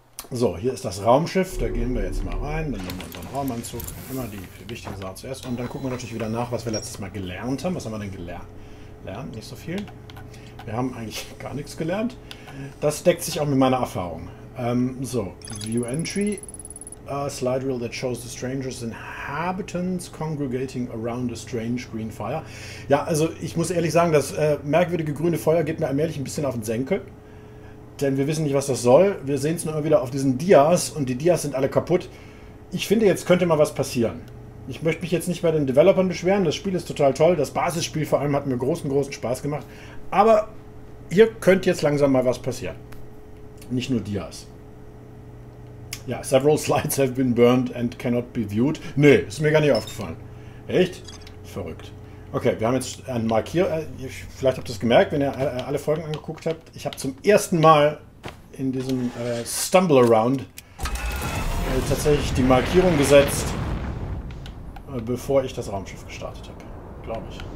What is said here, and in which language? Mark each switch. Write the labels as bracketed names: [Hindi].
[German] So, hier ist das Raumschiff. Da gehen wir jetzt mal rein. Dann nehmen wir unseren Raumanzug. Immer die wichtigen Sachen zuerst. Und dann gucken wir natürlich wieder nach, was wir letztes Mal gelernt haben. Was haben wir denn gelernt? Nicht so viel. Wir haben eigentlich gar nichts gelernt. Das deckt sich auch mit meiner Erfahrung. [English] So, View Entry. A slide rule that shows the strangers inhabitants congregating around a strange green fire. [German] Ja, also ich muss ehrlich sagen, das merkwürdige grüne Feuer geht mir allmählich ein bisschen auf den Senkel. Denn wir wissen nicht, was das soll. Wir sehen es nur immer wieder auf diesen Dias und die Dias sind alle kaputt. Ich finde, jetzt könnte mal was passieren. Ich möchte mich jetzt nicht bei den Developern beschweren. Das Spiel ist total toll. Das Basisspiel vor allem hat mir großen, großen Spaß gemacht. Aber hier könnte jetzt langsam mal was passieren. Nicht nur Dias. [English] Ja, several slides have been burned and cannot be viewed. [German] Nee, ist mir gar nicht aufgefallen. Echt? Verrückt. Okay, wir haben jetzt einen Markier. Vielleicht habt ihr es gemerkt, wenn ihr alle Folgen angeguckt habt. Ich habe zum ersten Mal in diesem Stumble Around tatsächlich die Markierung gesetzt, bevor ich das Raumschiff gestartet habe. Glaube ich.